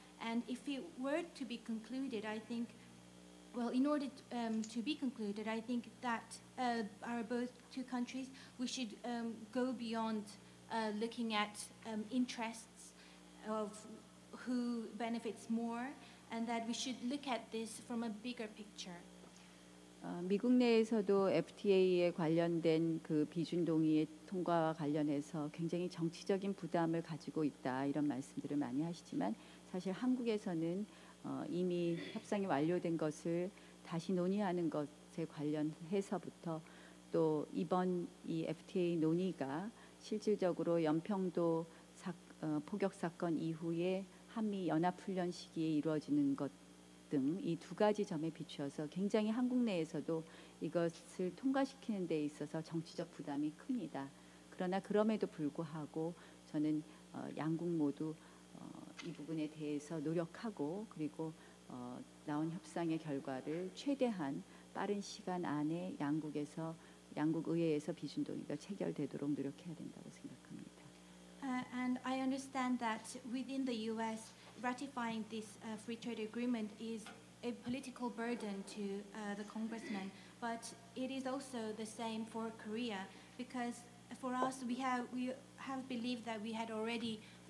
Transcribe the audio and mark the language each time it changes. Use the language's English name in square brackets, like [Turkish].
[English] And if it were to be concluded, I think, well, in order to be concluded, I think that our both two countries, we should go beyond looking at interests of who benefits more, and that we should look at this from a bigger picture. [Korean] 미국 내에서도 FTA에 관련된 그 비준동의 통과와 관련해서 굉장히 정치적인 부담을 가지고 있다 이런 말씀들을 많이 하시지만 사실 한국에서는 이미 협상이 완료된 것을 다시 논의하는 것에 관련해서부터 또 이번 이 FTA 논의가 실질적으로 연평도 포격 사건 이후에 한미 연합훈련 시기에 이루어지는 것 등 이 두 가지 점에 비추어서 굉장히 한국 내에서도 이것을 통과시키는 데 있어서 정치적 부담이 큽니다. 그러나 그럼에도 불구하고 저는 양국 모두 이 부분에 대해서 노력하고 그리고 나온 협상의 결과를 최대한 빠른 시간 안에 양국에서 양국 의회에서 비준 동의가 체결되도록 노력해야 된다고 생각합니다. [English] And I understand that within the U.S. ratifying this free trade agreement is a political burden to the congressman, but it is also the same for Korea, because for us we have believed that we had already